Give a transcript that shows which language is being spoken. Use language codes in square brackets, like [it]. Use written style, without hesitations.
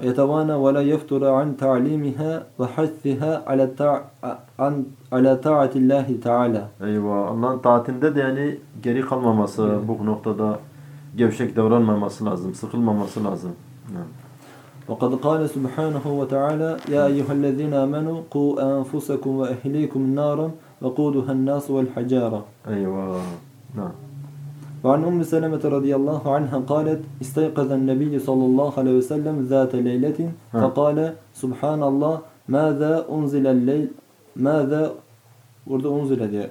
[ar] يتوانى ولا يفتر عن تعليمها وحثها على على طاعة الله تعالى. [tr] Eyvah, Allah'ın taatinde de yani geri kalmaması, evet. Bu noktada gevşek davranmaması lazım, sıkılmaması lazım. [ar] وقد قال سبحانه وتعالى يا أيها الذين آمنوا قوا أنفسكم وأهليكم نارا وقودها الناس والحجارة. أيوة. نعم. وعن أم سلمة رضي الله عنها قالت استيقظ النبي صلى الله عليه وسلم ذات ليلة فقال سبحان الله ماذا أنزل الليل ماذا ورد أنزل دي.